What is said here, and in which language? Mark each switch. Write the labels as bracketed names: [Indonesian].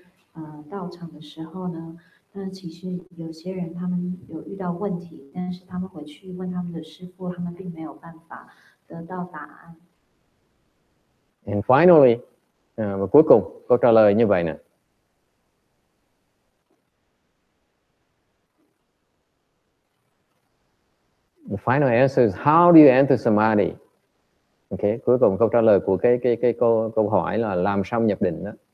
[Chinese] 所以举例来说，像他去造访这些道场的时候呢。但其实有些人他们有遇到问题，但是他们回去问他们的师父，他们并没有办法得到答案。 [English] And finally, [Vietnamese] và cuối cùng câu trả lời như vậy nè. [English] The final answer is how do you enter samadhi? [Vietnamese] Okay, cuối cùng câu trả lời của câu hỏi là làm sao nhập định đó.